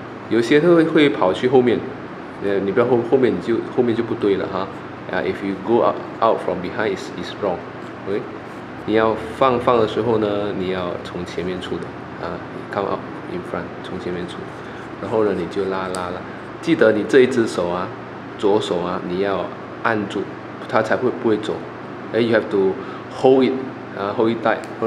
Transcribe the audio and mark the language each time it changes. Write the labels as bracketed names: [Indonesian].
[Chinese] 有些会跑去后面，你不要后面就不对了哈。 [English] If you go out from behind, it's wrong. [Chinese] Okay, 你要放的时候呢，你要从前面出的啊、， [English] come out in front， [Chinese] 从前面出。然后呢，你就拉。记得你这一只手啊，左手啊，你要按住，它才不会走。 [English] You have to hold it, hold it tight.